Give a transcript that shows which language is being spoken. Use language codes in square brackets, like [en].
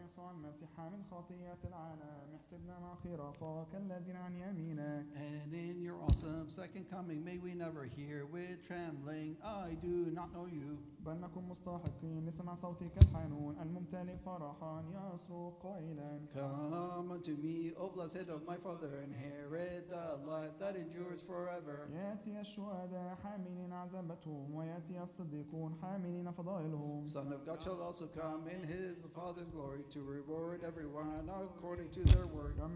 [ar] المسيح من خطيئة العالم احسبنا مع خرافاك الذين عن يمينك [en] And in your awesome second coming may we never hear with trembling I do not know you [ar] بل نكون مستحقين لسمع صوتك الحنون الممتلئ فرحا يصرخ قائلا [en] Come unto me O blessed of my father inherit the life that endures forever [ar] يأتي الشهداء حاملين عزبتهم ويأتي الصديقون حاملين فضائلهم [en] Son of God shall also come in his father's glory to reward everyone according to their work.